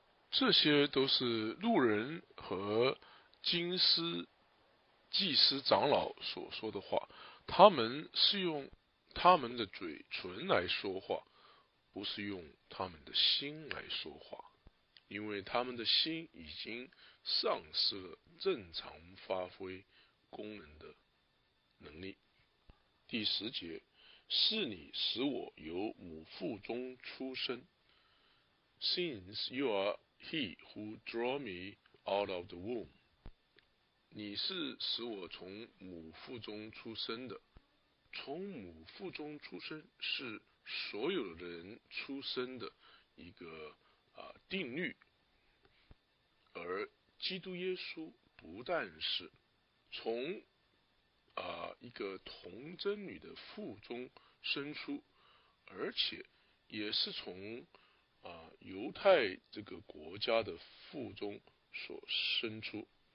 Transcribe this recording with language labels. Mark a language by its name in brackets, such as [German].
[Chinese] 这些都是路人和经师、祭司、长老所说的话，他们是用他们的嘴唇来说话，不是用他们的心来说话，因为他们的心已经丧失了正常发挥功能的能力。第十节，是你使我由母腹中出生。 [English] Since you are he who drew me out of the womb。 [Chinese] 你是使我从母腹中出生的。从母腹中出生是所有人出生的一个定律，而基督耶稣不但是从一个童贞女的腹中生出，而且也是从犹太这个国家的腹中所生出。